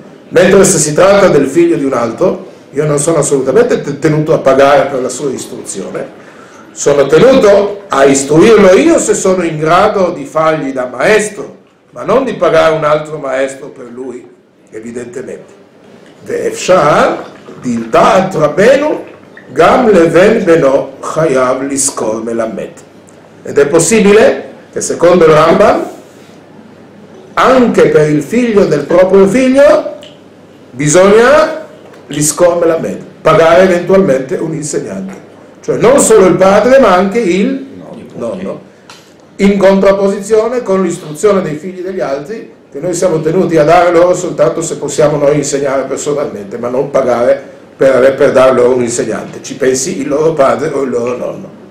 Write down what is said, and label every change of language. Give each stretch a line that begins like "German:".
Italian: Mentre se si tratta del figlio di un altro, io non sono assolutamente tenuto a pagare per la sua istruzione, sono tenuto a istruirlo io se sono in grado di fargli da maestro, ma non di pagare un altro maestro per lui, evidentemente.
Hebrew: Ve'efshar dilta'at rabenu, גם לבן בנו חייב לזכור מלמד.
Italian: Ed è possibile che secondo il Rambam anche per il figlio del proprio figlio bisogna
Hebrew: לזכור מלמד,
Italian: pagare eventualmente un insegnante, cioè non solo il padre ma anche il nonno, in contrapposizione con l'istruzione dei figli degli altri che noi siamo tenuti a dare loro soltanto se possiamo noi insegnare personalmente, ma non pagare per darlo a un insegnante, ci pensi il loro padre o il loro nonno.